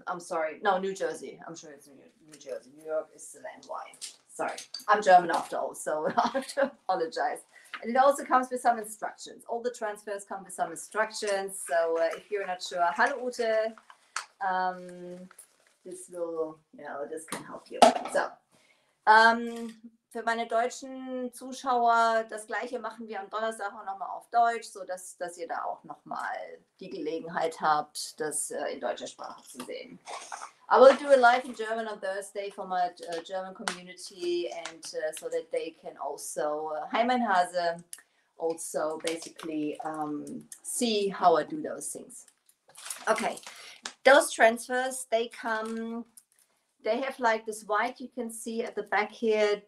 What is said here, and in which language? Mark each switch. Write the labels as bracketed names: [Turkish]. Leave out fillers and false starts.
[English] I'm sorry, no, New Jersey. I'm sure it's New Jersey. New York is the land Y. Sorry, I'm German after all, so I have to apologize. And it also comes with some instructions. All the transfers come with some instructions. So if you're not sure, hallo Ute. This will, you know, this can help you. [German] So, für meine deutschen Zuschauer, das gleiche machen wir am Donnerstag auch nochmal auf Deutsch, sodass dass ihr da auch nochmal die Gelegenheit habt, das in deutscher Sprache zu sehen. [English] I will do a live in German on Thursday for my German community and so that they can also, hi [German] mein Hase, [English] also basically see how I do those things. Okay, those transfers, they come, they have like this white you can see at the back here.